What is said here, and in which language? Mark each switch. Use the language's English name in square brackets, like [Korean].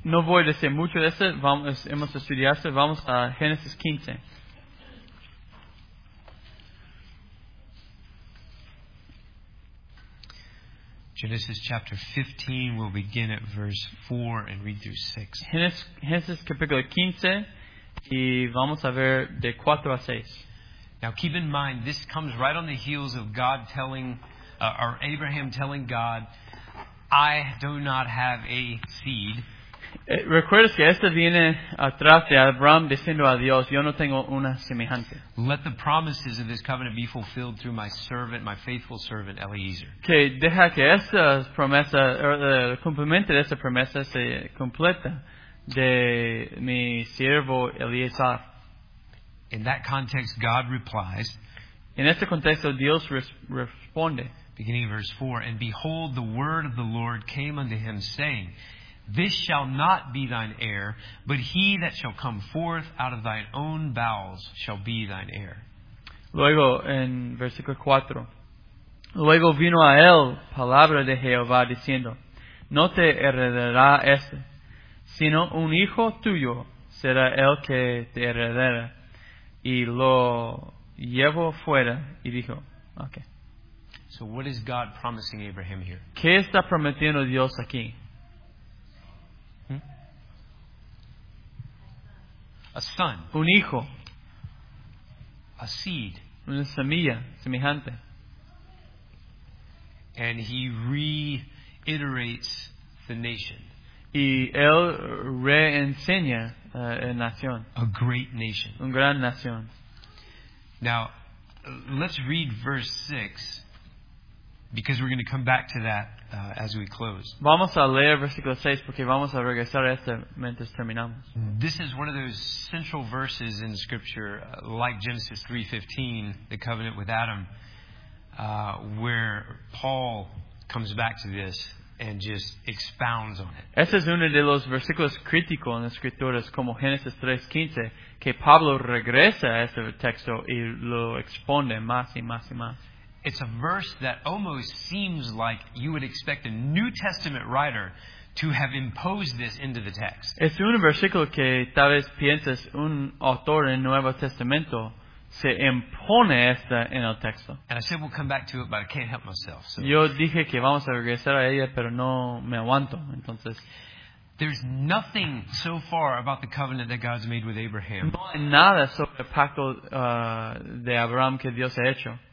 [Spanish] No voy a decir mucho de eso. Vamos, hemos estudiado eso. Vamos a Genesis 15. [English] Genesis chapter 15, we'll begin at verse 4 and read through 6. [Spanish] Genesis capítulo 15, y vamos a ver de 4 a 6. [English] Now keep in mind, this comes right on the heels of God telling, or Abraham telling God, I do not have a seed. [Spanish] Recuerda que esto viene atrás de Abraham diciendo a Dios, yo no tengo una semejante. [English] Let the promises of this covenant be fulfilled through my servant, my faithful servant Eliezer. [Spanish] Que deja que esta promesa, el cumplimiento de esta promesa se completa de mi siervo Eliezer. [English] In that context, God replies. [Spanish] En este contexto, Dios responde. [English] Beginning in verse 4, and behold, the word of the Lord came unto him, saying, this shall not be thine heir, but he that shall come forth out of thine own bowels shall be thine heir. [Spanish] Luego, en versículo 4. Luego vino a él palabra de Jehová diciendo, no te heredará este, sino un hijo tuyo será el que te heredará. Y lo llevó fuera y dijo, okay. [English] So what is God promising Abraham here? [Spanish] ¿Qué está prometiendo Dios aquí? [English] A son. [Spanish] Un hijo. [English] A seed. [Spanish] Una semilla, semejante. [English] And he reiterates the nation. [Spanish] Y él reenseña la nación. [English] A great nation. [Spanish] Un gran nación. [English] Now, let's read verse 6, because we're going to come back to that as we close. [Spanish] Vamos a leer versículo 6 porque vamos a regresar a este mientras terminamos. [English] This is one of those central verses in Scripture, like Genesis 3:15, the covenant with Adam, where Paul comes back to this and just expounds on it. [Spanish] Este es uno de los versículos críticos en las Escrituras, como Genesis 3:15, que Pablo regresa a este texto y lo expone más y más y más. [English] It's a verse that almost seems like you would expect a New Testament writer to have imposed this into the text. [Spanish] Es un versículo que tal vez pienses un autor en Nuevo Testamento se impone esta en el texto. [English] And I said we'll come back to it, but I can't help myself. So. [Spanish] Yo dije que vamos a regresar a ella, pero no me aguanto. Entonces. [English] There's nothing so far about the covenant that God's made with Abraham. [Spanish] No hay nada sobre el pacto de Abraham que Dios ha hecho.